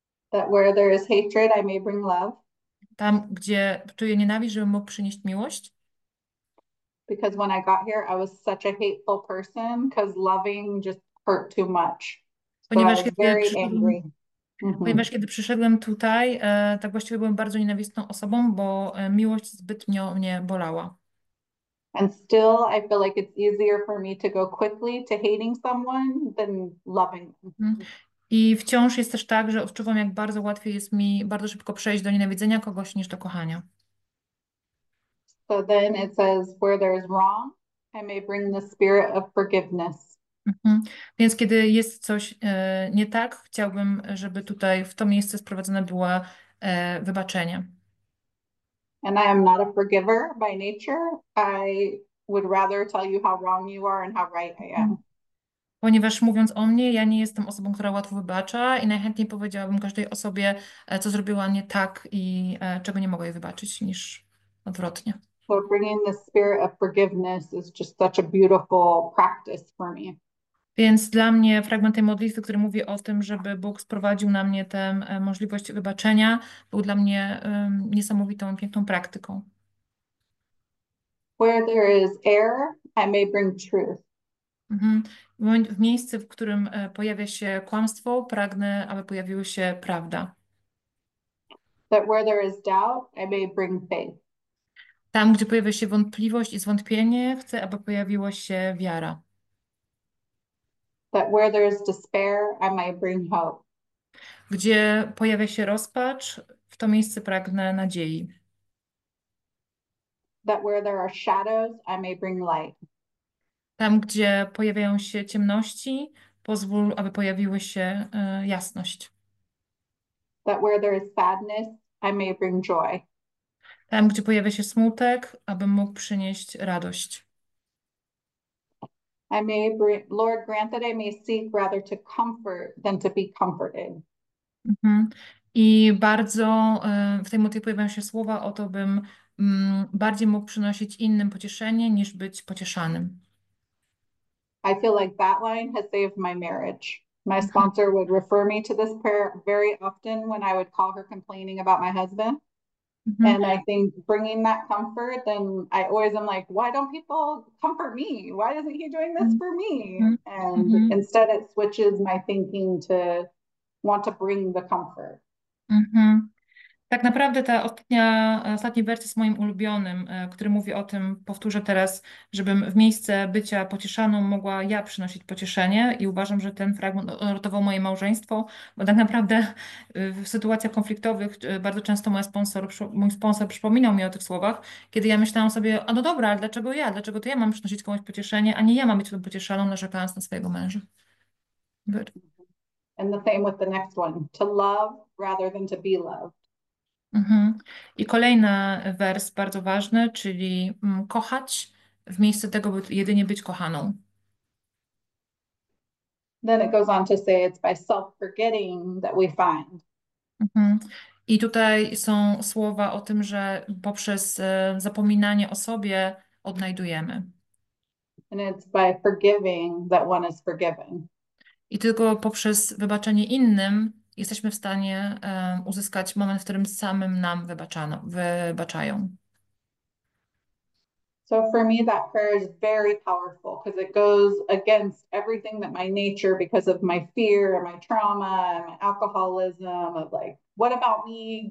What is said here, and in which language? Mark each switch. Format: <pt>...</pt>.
<en>That where there is hatred, I may bring love.</en> <pl>Tam, gdzie czuję nienawiść, żebym mógł przynieść miłość.</pl> <en>Because when I got here, I was such a hateful person because loving just hurt too much. So I</en> <pl>Ponieważ</pl> <en>was</en> <pl>kiedy</pl> <en>very</en> <pl>przyszedłem.</pl> <en>angry.</en> <pl>Ponieważ kiedy przyszedłem tutaj, tak właściwie byłem bardzo nienawistną osobą, bo miłość zbytnio mnie bolała.</pl> <en>And still, I feel like it's easier for me to go quickly to hating someone than loving them.</en> <pl>I wciąż jest też tak, że odczuwam, jak bardzo łatwiej jest mi bardzo szybko przejść do nienawidzenia kogoś niż do kochania.</pl> <en>So then it says, where there is wrong, I may bring the spirit of forgiveness.</en> <pl>Więc kiedy jest coś nie tak, chciałbym, żeby tutaj w to miejsce sprowadzone było wybaczenie.</pl> <en>And I am not a forgiver by nature. I would rather tell you how wrong you are and how right I am.</en> <pl>Ponieważ mówiąc o mnie, ja nie jestem osobą, która łatwo wybacza i najchętniej powiedziałabym każdej osobie, co zrobiła nie tak i czego nie mogę jej wybaczyć, niż odwrotnie.</pl> <en>So bringing the spirit of forgiveness is just such a beautiful practice for me.</en> <pl>Więc dla mnie fragment tej modlitwy, który mówi o tym, żeby Bóg sprowadził na mnie tę możliwość wybaczenia, był dla mnie niesamowitą, piękną praktyką.</pl> <en>Where there is error, I may bring truth.</en> <pl>W miejscu, w którym pojawia się kłamstwo, pragnę, aby pojawiła się prawda.</pl> <en>That where there is doubt, I may bring faith.</en> <pl>Tam, gdzie pojawia się wątpliwość i zwątpienie, chcę, aby pojawiła się wiara.</pl> <en>That where there is despair, I may bring hope.</en> <pl>Gdzie pojawia się rozpacz, w to miejsce pragnę nadziei.</pl> <en>That where there are shadows, I may bring light.</en> <pl>Tam, gdzie pojawiają się ciemności, pozwól, aby pojawiła się jasność.</pl> <en>That where there is sadness, I may bring joy.</en> <pl>Tam, gdzie pojawia się smutek, abym mógł przynieść radość.</pl> <en>I may bring, Lord, grant that I may seek rather to comfort than to be comforted.</en> <pl>I bardzo w tej modlitwie pojawiają się słowa o to, bym bardziej mógł przynosić innym pocieszenie, niż być pocieszanym.</pl> <en>I feel like that line has saved my marriage. My sponsor would refer me to this prayer very often when I would call her complaining about my husband. And I think bringing that comfort, then I always am like, why don't people comfort me? Why isn't he doing this for me? And instead, it switches my thinking to want to bring the comfort.</en> <pl>Tak naprawdę ta ostatni werset jest moim ulubionym, który mówi o tym, powtórzę teraz, żebym w miejsce bycia pocieszaną mogła ja przynosić pocieszenie i uważam, że ten fragment ratował moje małżeństwo, bo tak naprawdę w sytuacjach konfliktowych bardzo często mój sponsor przypominał mi o tych słowach, kiedy ja myślałam sobie, a no dobra, ale dlaczego ja? Dlaczego to ja mam przynosić komuś pocieszenie, a nie ja mam być tą pocieszaną, narzekając na swojego męża.</pl> <en>And the same with the next one, to love rather than to be loved.</en> <pl>I kolejny wers, bardzo ważny, czyli kochać w miejsce tego, by jedynie być kochaną.</pl> <en>Then it goes on to say it's by self-forgetting that we find.</en> <pl>I tutaj są słowa o tym, że poprzez zapominanie o sobie odnajdujemy.</pl> <en>And it's by forgiving that one is forgiven.</en> <pl>I tylko poprzez wybaczenie innym jesteśmy w stanie uzyskać moment, w którym samym nam wybaczają.</pl> <en>So for me, that prayer is very powerful because it goes against everything that my nature, because of my fear and my trauma and my alcoholism, of like, what about me?</en>